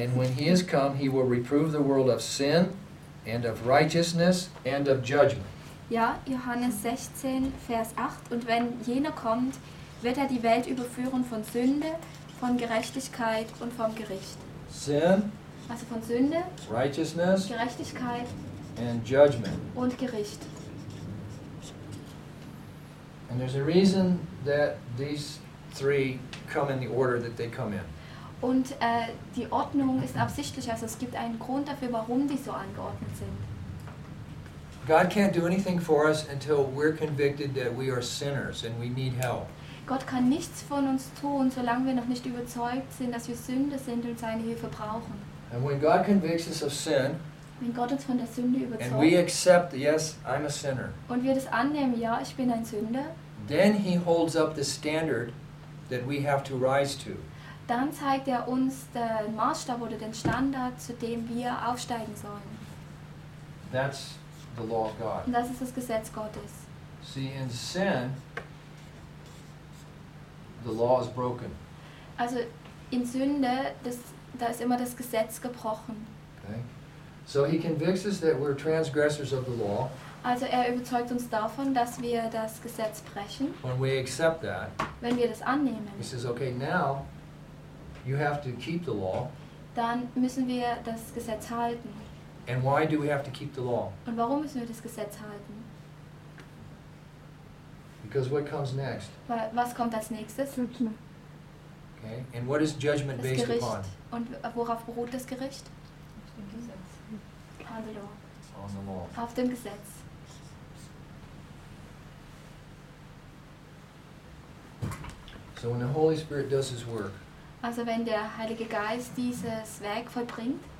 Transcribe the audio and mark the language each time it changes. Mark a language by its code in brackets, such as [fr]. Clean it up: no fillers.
[en] And when he has come, he will reprove the world of sin, and of righteousness, and of judgment. [de] Ja, Johannes 16, Vers 8. Und wenn jener kommt, wird er die Welt überführen von Sünde, von Gerechtigkeit und vom Gericht. [en] Sin. [de] Also von Sünde. [en] Righteousness. [de] Gerechtigkeit. [en] And judgment. [de] Und Gericht. [en] And there's a reason that these three come in the order that they come in. [de] Und die Ordnung ist absichtlich, also es gibt einen Grund dafür, warum die so angeordnet sind. [en] God can't do anything for us until we're convicted that we are sinners and we need help. [de] Gott kann nichts von uns tun, solange wir noch nicht überzeugt sind, dass wir Sünder sind und seine Hilfe brauchen. [en] And when God convicts us of sin, [de] wenn Gott uns von der Sünde überzeugt, [en] and we accept, yes, I'm a sinner. [de] Und wir das annehmen, ja, ich bin ein Sünder. [en] Then he holds up the standard that we have to rise to. [de] Dann zeigt er uns den Maßstab oder den Standard, zu dem wir aufsteigen sollen. [en] That's the law of God. [de] Und das ist das Gesetz Gottes. [en] See, in sin, the law is broken. [de] Also in Sünde, das, da ist immer das Gesetz gebrochen. [en] Okay. So he convicts us that we're transgressors of the law. [de] Also er überzeugt uns davon, dass wir das Gesetz brechen. [en] When we accept that. [de] Wenn wir das annehmen. [en] He says, okay, now you have to keep the law. [de] Dann müssen wir das Gesetz halten. [en] And why do we have to keep the law? [de] Und warum müssen wir das Gesetz halten? [en] Because what comes next? [de] Was kommt als nächstes? [en] Judgment. Okay. And what is judgment [de] das [en] based [de] Gericht. [en] Upon? [de] Und worauf beruht das Gericht? Auf dem Gesetz. [en] On the law. On the law. [de] Auf dem Gesetz. [en] So when the Holy Spirit does his work. [de] Also wenn der Heilige Geist dieses Werk vollbringt.